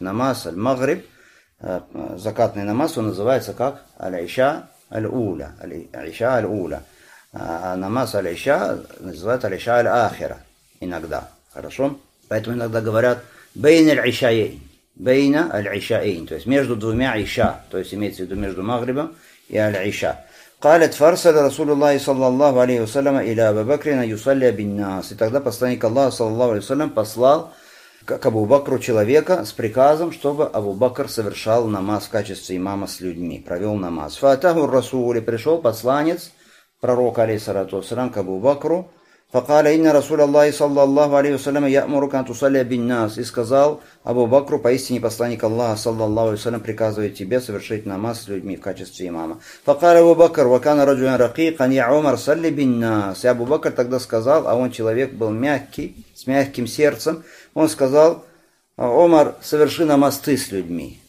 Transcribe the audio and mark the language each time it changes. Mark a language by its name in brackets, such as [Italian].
[Russian] Намаз аль-магриб, закатный намаз, он называется как аль-иша аль-уля. Аль-иша аль-уля. А намаз аль-иша называют аль-иша аль-ахира иногда. Хорошо? Поэтому иногда говорят [Arabic] «бейна аль-ишаэйн». [Russian] «Бейна аль-ишаэйн». То есть между двумя аль-иша. То есть имеется в виду между магрибом и аль-иша. [Arabic] قالت فرسل رسول الله صلى الله عليه وسلم إلى أبي بكر أن يصلي بالناس. [Russian] И тогда посланник Аллаха [Arabic] صلى الله عليه وسلم [Russian] послал к Абу Бакру человека с приказом, чтобы Абу Бакр совершал намаз в качестве имама с людьми, провел намаз. [Arabic] فأتاه الرسول, [Russian] пришел посланец пророк [Arabic] عليه السلام [Russian] к Абу Бакру. [Arabic] فقال إن رسول الله صلى الله عليه وسلم يأمرك أن تصلي بالناس. [Russian] И сказал Абу Бакру, поистине посланник Аллаха, [Arabic] саллаллаху алейхи ва саллям, [Russian] приказывает тебе совершить намаз с людьми в качестве имама. [Arabic] فقال أبو بكر وكان رجلا رقيقا يا عمر صلي بالناس. [Russian] И Абу Бакр тогда сказал, а он человек был мягкий, с мягким сердцем, он сказал: Омар, соверши намаз ты с людьми.